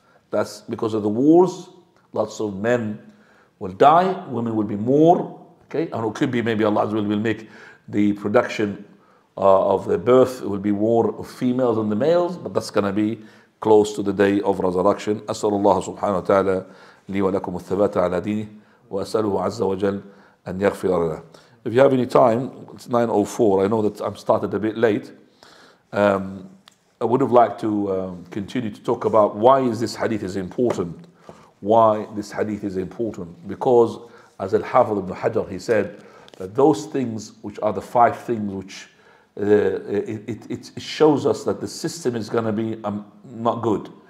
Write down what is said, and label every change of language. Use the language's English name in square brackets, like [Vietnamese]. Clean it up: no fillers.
[English] That's because of the wars, lots of men will die, women will be more, okay? And it could be maybe Allah will make the production of the birth, it will be more of females than the males, but that's going to be close to the day of resurrection. [Arabic] أسأل الله سبحانه وتعالى لي ولكم الثبات على دينه وأسأله عز وجل أن يغفر لنا. [English] If you have any time, it's 9:04. I know that I'm started a bit late. I would have liked to continue to talk about why is this hadith is important. Why this hadith is important? Because as Al-Hafidh ibn Hajar, he said that those things which are the five things which it shows us that the system is going to be not good.